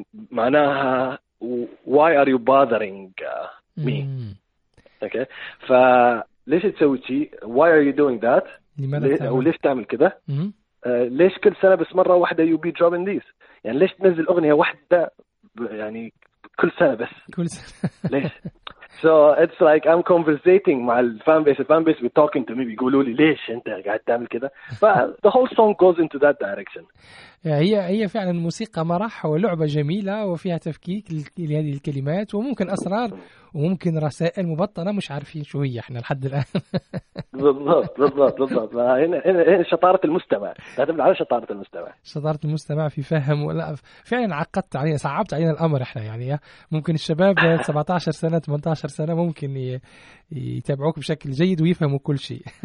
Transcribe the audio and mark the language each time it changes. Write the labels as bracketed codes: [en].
[ar] معناها [en] why are you bothering me؟ [ar] اوكي ف ليش تسوي شيء؟ [en] Why are you doing that؟ [ar] ليش تعمل كذا؟ ليش كل سنة بس مرة واحدة [en] you be dropping these؟ [ar] يعني ليش تنزل أغنية واحدة يعني كل سنة بس؟ كل سنة. ليش؟ [en] So it's like I'm conversating [ar] مع الفان بيس. الفان بيس [en] be talking to me [ar] بيقولوا لي ليش أنت قاعد تعمل كذا؟ [en] ف the whole song goes into that direction. [ar] هي فعلا موسيقى مرح ولعبة جميلة وفيها تفكيك لهذه الكلمات وممكن أسرار وممكن رسائل مبطنة مش عارفين شو هي احنا لحد الآن. بالضبط. هنا شطارة المستمع. تعتمد على شطارة المستمع. شطارة المستمع في فهم ولا فعلا عقدت علينا صعبت علينا الأمر احنا يعني ممكن الشباب 17 سنة 18 سنة ممكن يتابعوك بشكل جيد ويفهموا كل شيء.